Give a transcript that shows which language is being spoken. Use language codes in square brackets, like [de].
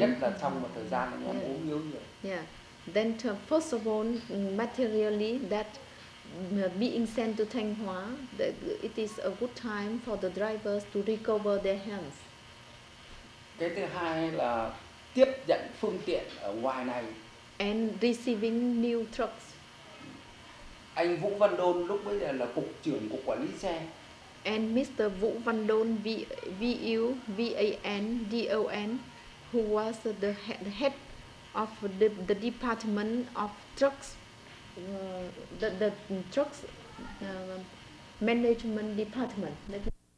[vi] nhất là trong một thời gian anh em ốm yếu nhiều. [en] Then first of all, materially, that being sent to Thanh Hóa, it is a good time for the drivers to recover their hands. [vi] Cái thứ hai là tiếp nhận phương tiện ở ngoài này. [en] And receiving new trucks. [vi] Anh Vũ Văn Đôn lúc bây giờ là cục trưởng cục quản lý xe. [en] And Mr. Vũ Văn Đôn, V-U-V-A-N-D-O-N, who was the head of the department of trucks, the trucks management department. Let me